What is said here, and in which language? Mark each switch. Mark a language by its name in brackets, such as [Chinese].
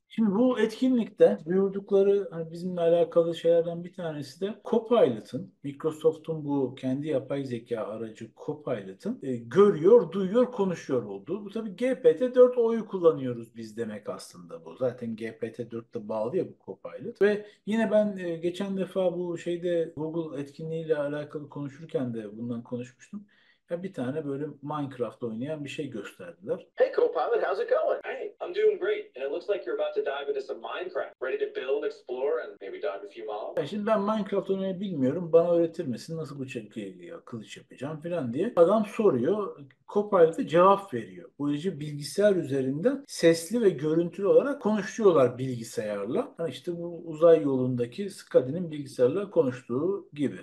[Turkish] Şimdi bu etkinlikte duyurdukları hani bizimle alakalı şeylerden bir tanesi de Copilot'ın, Microsoft'un bu kendi yapay zeka aracı Copilot'ın görüyor, duyuyor, konuşuyor olduğu. Bu tabii GPT-4o'yu kullanıyoruz biz demek aslında bu. Zaten GPT-4 de bağlı ya bu Copilot. Ve yine ben geçen defa bu şeyde Google etkinliğiyle alakalı konuşurken de bundan konuşmuştum. Ya bir tane böyle Minecraft oynayan bir şey gösterdiler. [English] Copilot, how's it going? Hey, I'm doing great. And it looks like you're about to dive into some Minecraft. Ready to build, explore, and maybe dive a few mobs. [Turkish] Ya şimdi ben Minecraft oynamayı bilmiyorum. Bana öğretir misin nasıl bıçak ya, kılıç yapacağım falan diye. Adam soruyor. Copilot'a cevap veriyor. Bu bilgisayar üzerinden sesli ve görüntülü olarak konuşuyorlar bilgisayarla. Yani işte bu uzay yolundaki Scuddy'nin bilgisayarla konuştuğu gibi.